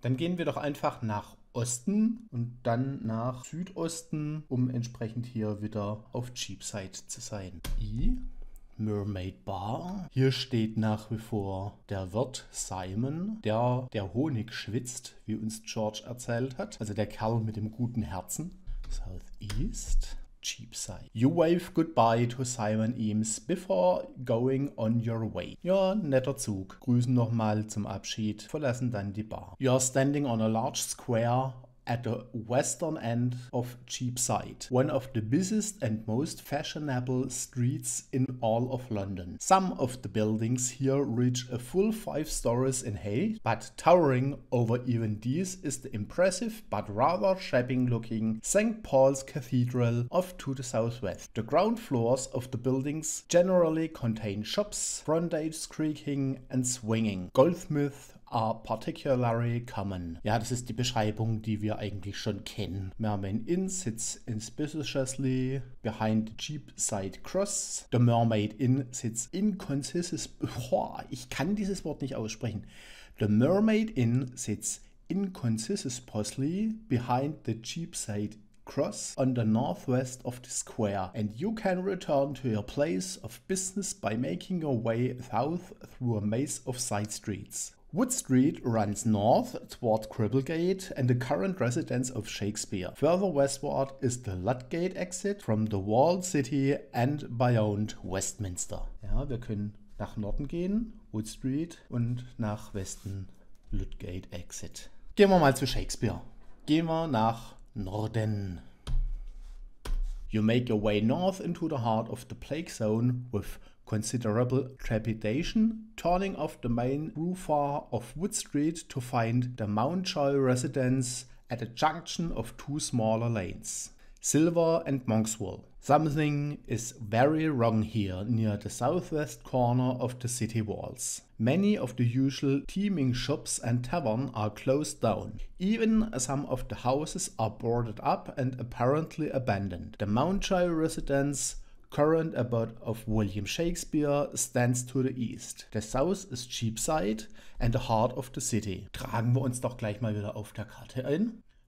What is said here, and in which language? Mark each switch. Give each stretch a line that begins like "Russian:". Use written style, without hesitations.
German: Dann gehen wir doch einfach nach Osten und dann nach Südosten, um entsprechend hier wieder auf Cheapside zu sein. I, Mermaid Bar. Hier steht nach wie vor der Wirt Simon, der Honig schwitzt, wie uns George erzählt hat. Also der Kerl mit dem guten Herzen. Southeast, Cheapside.
English: You wave goodbye to Simon Eames before going on your way.
German: Ja, netter Zug. Grüßen nochmal zum Abschied. Verlassen dann die Bar.
English: You're standing on a large square at the western end of Cheapside, one of the busiest and most fashionable streets in all of London. Some of the buildings here reach a full 5 stories in height, but towering over even these is the impressive but rather shabby-looking St. Paul's Cathedral off to the southwest. The ground floors of the buildings generally contain shops, frontage creaking and swinging. Goldsmith are particularly common.
German: Ja, das ist die Beschreibung, die wir eigentlich schon kennen.
English: Mermaid Inn sits inspiciously behind Cheapside Cross. The Mermaid Inn sits inconsistently.
German: Ich kann dieses Wort nicht aussprechen.
English: The Mermaid Inn sits inconsistently behind the Cheapside Cross on the northwest of the square, and you can return to your place of business by making your way south through a maze of side streets. Wood Street runs north toward Cripplegate and the current residence of Shakespeare. Further westward is the Ludgate exit from the Walled City and beyond Westminster.
German: Ja, wir können nach Norden gehen, Wood Street, und nach Westen, Ludgate exit. Gehen wir mal zu Shakespeare. Gehen wir nach Norden.
English: You make your way north into the heart of the Plague Zone with considerable trepidation, turning off the main thoroughfare of Wood Street to find the Mountjoy residence at a junction of 2 smaller lanes, Silver and Monkswool. Something is very wrong here near the southwest corner of the city walls. Many of the usual teeming shops and taverns are closed down. Even some of the houses are boarded up and apparently abandoned. The Mountjoy residence, current abode of William Shakespeare, stands to the east. The south is Cheapside and the heart of the city.
German: Tragen wir uns doch gleich mal wieder auf der Karte ein.